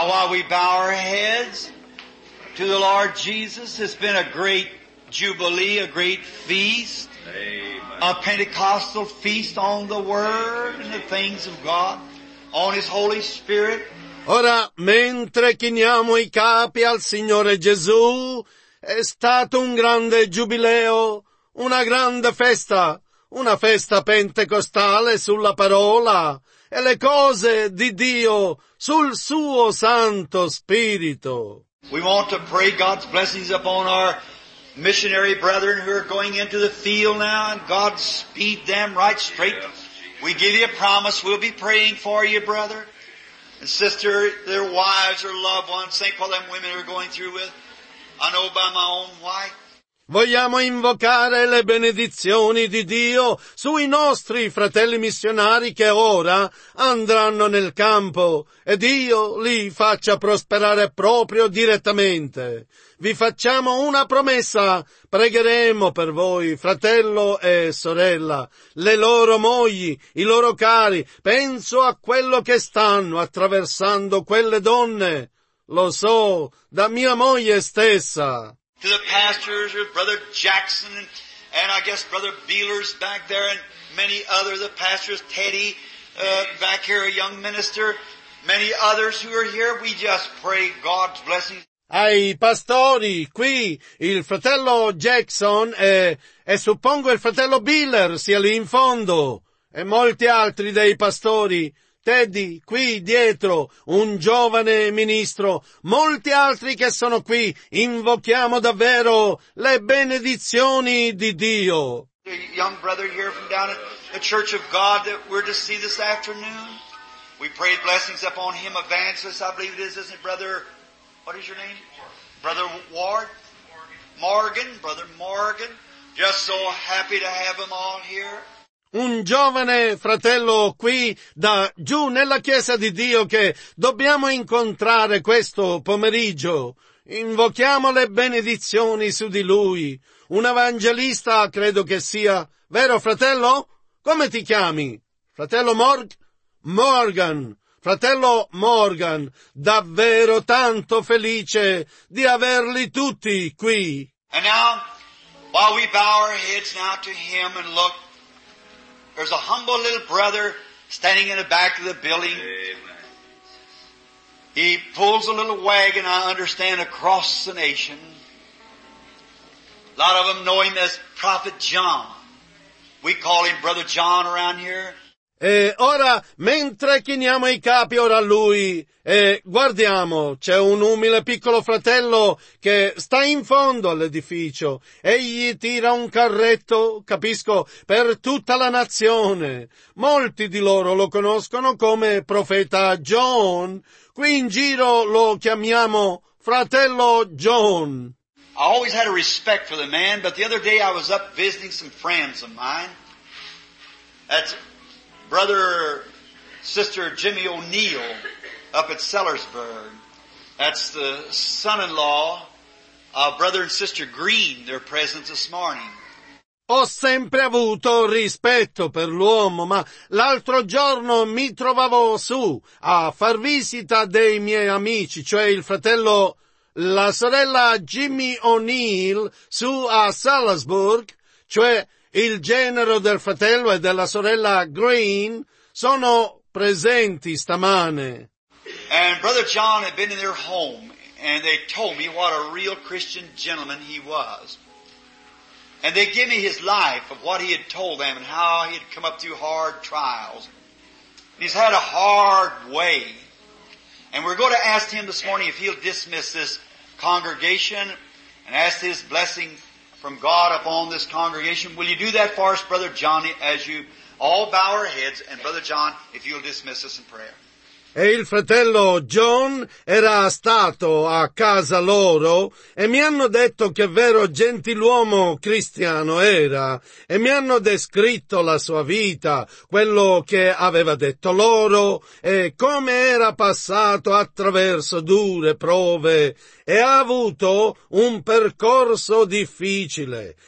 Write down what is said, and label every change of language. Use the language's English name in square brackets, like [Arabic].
[English] We bow our heads to the Lord Jesus. It's been a great jubilee, a great feast, Amen. A Pentecostal feast on the Word and the things of God, on His Holy Spirit. [Italian] Ora, mentre chiniamo i capi al Signore Gesù, è stato un grande giubileo, una grande festa, una festa pentecostale sulla parola e le cose di Dio sul suo Santo Spirito. [English] We want to pray God's blessings upon our missionary brethren who are going into the field now, and God speed them right straight. We give you a promise, we'll be praying for you, brother and sister, their wives or loved ones. Think of them women are going through with. I know by my own wife. [Italian] Vogliamo invocare le benedizioni di Dio sui nostri fratelli missionari che ora andranno nel campo e Dio li faccia prosperare proprio direttamente. Vi facciamo una promessa, pregheremo per voi, fratello e sorella, le loro mogli, i loro cari, penso a quello che stanno attraversando quelle donne, lo so, da mia moglie stessa. [English] To the pastors, Brother Jackson, and I guess Brother Beeler's back there, and many other, the pastors, Teddy, back here, a young minister, many others who are here, we just pray God's blessings. [Italian] Ai pastori, qui, il fratello Jackson, e suppongo il fratello Beeler sia lì in fondo, e molti altri dei pastori. Teddy, qui dietro, un giovane ministro, molti altri che sono qui, invochiamo davvero le benedizioni di Dio. [English] A young brother here from down at the Church of God that we're to see this afternoon. We pray blessings upon him, Evangelist, I believe it is, isn't it, brother, what is your name? Brother Ward? Morgan, brother Morgan. Just so happy to have him all here. [Italian] Un giovane fratello qui da giù nella Chiesa di Dio che dobbiamo incontrare questo pomeriggio. Invochiamo le benedizioni su di lui. Un evangelista credo che sia, vero fratello? Come ti chiami? Fratello Morgan. Fratello Morgan, davvero tanto felice di averli tutti qui. [English] And now, while we bow our heads now to him and look, there's a humble little brother standing in the back of the building. Amen. He pulls a little wagon, I understand, across the nation. A lot of them know him as Prophet John. We call him Brother John around here. [Italian] E ora, mentre chiniamo i capi ora a lui, e guardiamo, c'è un umile piccolo fratello che sta in fondo all'edificio. Egli tira un carretto, capisco, per tutta la nazione. Molti di loro lo conoscono come profeta John. Qui in giro lo chiamiamo fratello John. [English] I always had a respect for the man, but the other day I was up visiting some friends of mine. That's Brother, Sister Jimmy O'Neill up at Sellersburg. That's the son-in-law of Brother and Sister Green. They're present this morning. [Italian] Ho sempre avuto rispetto per l'uomo, ma l'altro giorno mi trovavo su a far visita dei miei amici, cioè il fratello, la sorella Jimmy O'Neill, su a Salisbury, cioè il genero del fratello e della sorella Green, sono presenti stamane. [English] And Brother John had been in their home, and they told me what a real Christian gentleman he was. And they gave me his life of what he had told them and how he had come up through hard trials. And he's had a hard way. And we're going to ask him this morning if he'll dismiss this congregation and ask his blessing from God upon this congregation. Will you do that for us, Brother Johnny, as you all bow our heads? And Brother John, if you'll dismiss us in prayer. [Italian] E il fratello John era stato a casa loro e mi hanno detto che vero gentiluomo cristiano era e mi hanno descritto la sua vita, quello che aveva detto loro e come era passato attraverso dure prove e ha avuto un percorso difficile.